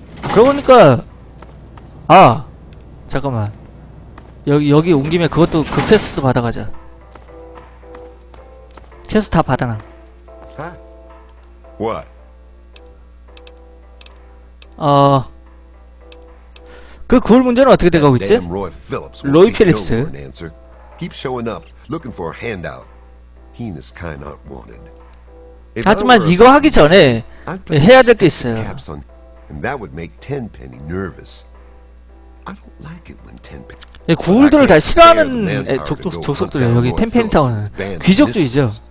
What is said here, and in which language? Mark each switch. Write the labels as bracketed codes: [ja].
[ko] 그러고 보니까 아 잠깐만 여기 온 김에 그것도 그 퀘스트 받아가자. 퀘스트 다 받아놔. [en] What? [ko] 그 굴 문제는 어떻게 되고 있지? 로이 필립스. [en] Keep showing up, looking for a handout. He and his kind aren't wanted. [ko] 하지만 이거 하기 전에 해야 될 게 있어요. [en] And that would make Tenpenny nervous. I don't like it when Tenpenny. [ko] 예, 구울들을 다 싫어하는 족속들이에요. 여기 Tenpenny Town은 귀족주의죠.